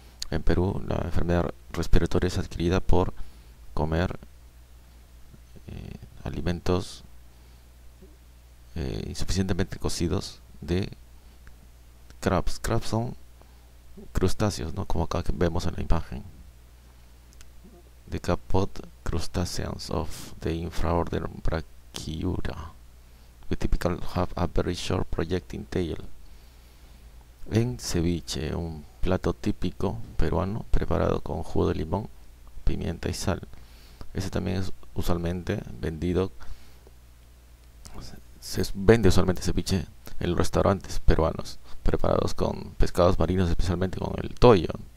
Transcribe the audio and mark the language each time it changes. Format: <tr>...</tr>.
<es>En Perú, la enfermedad respiratoria es adquirida por comer alimentos insuficientemente cocidos de crabs. Crabs son crustáceos, ¿no? Como acá vemos en la imagen.</es> <en>Decapod crustaceans of the infraorder Brachyura, with typical have a very short projecting tail.</en> <es>En ceviche, un plato típico peruano preparado con jugo de limón, pimienta y sal. Ese también es usualmente vendido, se vende usualmente ceviche en los restaurantes peruanos, preparados con pescados marinos, especialmente con el toyo.</es>